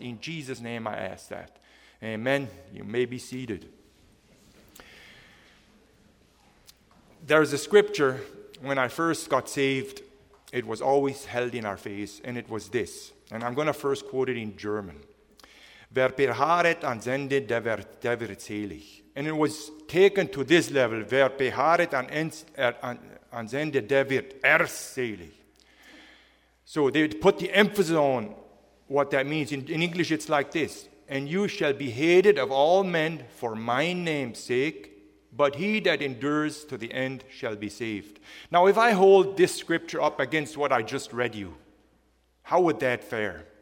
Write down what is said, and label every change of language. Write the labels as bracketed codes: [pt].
[en] In Jesus' name I ask that. Amen. You may be seated. There's a scripture, when I first got saved, it was always held in our face, and it was this. And I'm going to first quote it in German. [de] Wer beharret an Ende, der wird selig. [en] And it was taken to this level. [de] Wer beharret an Ende, der wird erst selig. [en] So they put the emphasis on what that means. In English, it's like this. And you shall be hated of all men for my name's sake, but he that endures to the end shall be saved. Now, if I hold this scripture up against what I just read you, how would that fare?